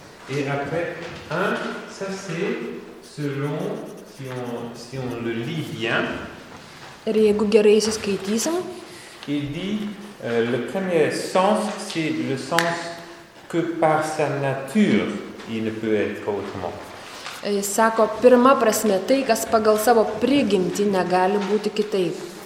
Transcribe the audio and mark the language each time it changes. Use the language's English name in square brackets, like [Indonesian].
[French] Et après un, ça c'est selon si on le lit bien. [Lithuanian] Ir jeigu gerai įsiskaitysim. [French] Il dit le premier sens c'est le sens que par sa nature il ne peut être autrement. [Lithuanian] Jis sako, pirma prasme, tai, kas pagal savo prigimtį negali būti kitaip.